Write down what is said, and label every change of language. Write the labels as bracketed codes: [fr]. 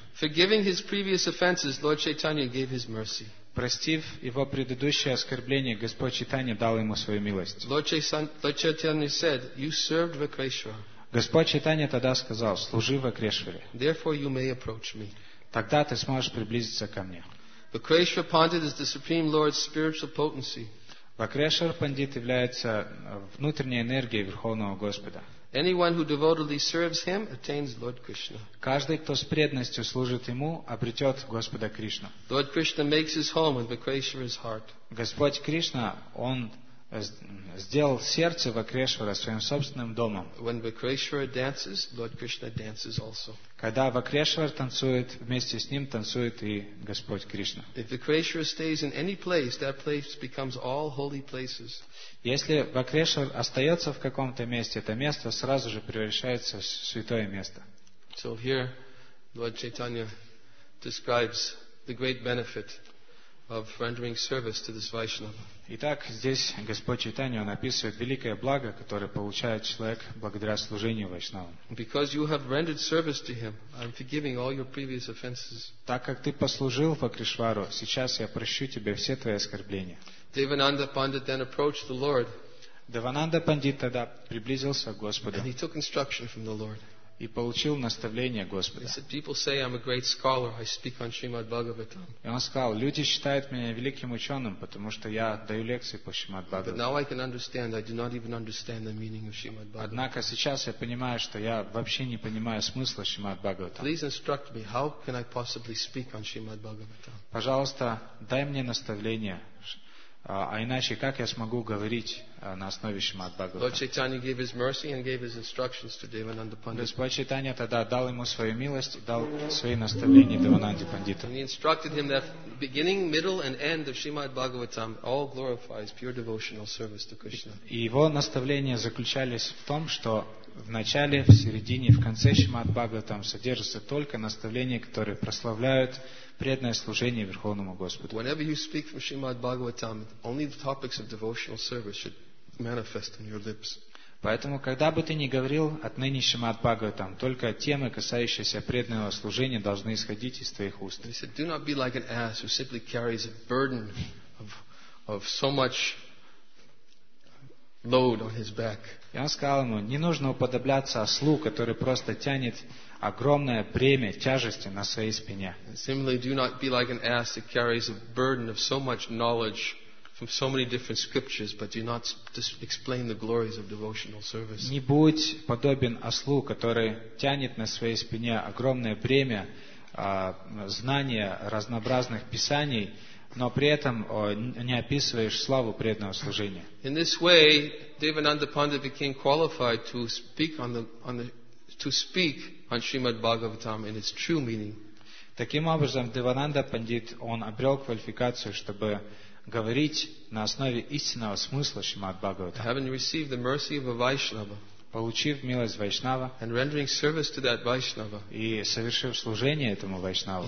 [en] Forgiving his previous offenses, Lord Chaitanya gave his mercy. [ru] Простив его предыдущее оскорбление, Господь Чайтанья дал ему свою милость. [en] Lord Chaitanya said, "You served Vakreshwara." [ru] Господь Чайтанья тогда сказал: "Служи Вакрешваре." [en] Therefore, you may approach me. [ru] Тогда ты сможешь приблизиться ко мне. [en] Vakreshwara Pandit is the Supreme Lord's spiritual potency. [ru] Vakreshwara Pandit является внутренней энергией Верховного Господа. [en] Anyone who devotedly serves him attains Lord Krishna. [ru] Каждый, кто с преданностью служит ему, обретет Господа Кришну. [en] Lord Krishna makes his home in Vakreshwara's heart. [ru] Господь Кришна, он сделал сердце Вакрешвара своим собственным домом. [en] When Vakreshwara dances, Lord Krishna dances also. [ru] Когда Вакрешвар танцует, вместе с ним танцует и Господь Кришна. [en] If Vakreshwara stays in any place, that place becomes all holy places. [ru] Если Вакрешвар остается в каком-то месте, это место сразу же превращается в святое место. [en] So here Lord Chaitanya describes the great benefit of rendering service to this Vaishnava. [ru] Итак, здесь Господь Чайтанья описывает великое благо, которое получает человек благодаря служению Вайшнавам. [en] Because you have rendered service to him, I'm forgiving all your previous offenses. [ru] Так как ты послужил Вакришвару, сейчас я прощу тебе все твои оскорбления. [en] Devananda Pandit then approached the Lord. [ru] Девананда Пандит тогда приблизился к Господу. [en] And he took instruction from the Lord. [ru] И получил наставление Господа. [en] He said, "People say I'm a great scholar. I speak on Shrimad Bhagavatam." [ru] И он сказал: "Люди считают меня великим ученым, потому что я даю лекции по Шримад Бхагаватам." [en] But now I can understand. I do not even understand the meaning of Shrimad Bhagavatam. [ru] Однако сейчас я понимаю, что я вообще не понимаю смысла Шримад Бхагаватам. [en] Please instruct me. How can I possibly speak on Shrimad Bhagavatam? [ru] Пожалуйста, дай мне наставление, а иначе как я смогу говорить на основе Шримад Бхагаватам? [en] Lord Chaitanya gave his mercy and gave his instructions to Devananda Pandit. [ru] Господь Чайтанья тогда дал ему свою милость, дал свои наставления Девананде Пандиту. [en] And he instructed him that beginning, middle and end of Shrimad Bhagavatam all glorifies pure devotional service to Krishna. [ru] И его наставления заключались в том, что в начале, в середине, в конце Шримад Бхагаватам содержатся только наставления, которые прославляют преданное служение Верховному Господу. [en] Whenever you speak from Shrimad Bhagavatam, only the topics of devotional service should manifest in your lips. [ru] Поэтому, когда бы ты ни говорил отныне Шримад Бхагаватам, только темы, касающиеся преданного служения, должны исходить из твоих уст. [en] He said, do not be like an ass who simply carries a burden of so much load on his back. [ru] И он сказал ему, не нужно уподобляться ослу, который просто тянет огромное бремя тяжести на своей спине. [en] Similarly, do not be like an ass that carries a burden of so much knowledge from so many different scriptures, but do not explain the glories of devotional service. [ru] Не будь подобен ослу, который тянет на своей спине огромное бремя знания разнообразных писаний, но при этом не описываешь славу преданного служения. [en] In this way, Devananda Pandit became qualified to speak on the Srimad Bhagavatam in its true meaning. [ru] Таким образом, Девананда Пандит, он обрел квалификацию, чтобы говорить на основе истинного смысла Шримад Бхагаватам. [en] Having received the mercy of a Vaishnava, [ru] получив милость Вайшнава, [en] and rendering service to that Vaishnava, [ru] и совершив служение этому Вайшнаву,